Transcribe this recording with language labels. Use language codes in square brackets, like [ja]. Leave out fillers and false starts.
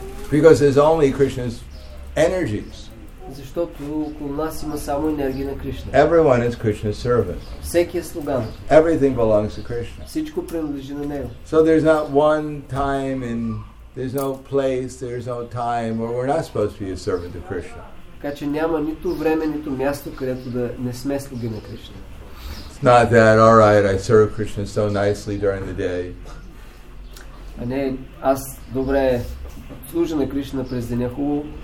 [en] Because there's only Krishna's energies. Everyone is Krishna's servant. Everything belongs to Krishna. So there's not one time in. There's no place, there's no time, or we're not supposed to be a servant to Krishna. [bg] Така че няма нито време, нито място, където да не сме слуги на Кришна. [en] It's not that, all right, I serve Krishna so nicely during the day. [bg] Не, аз добре служа на Кришна през деня хубаво.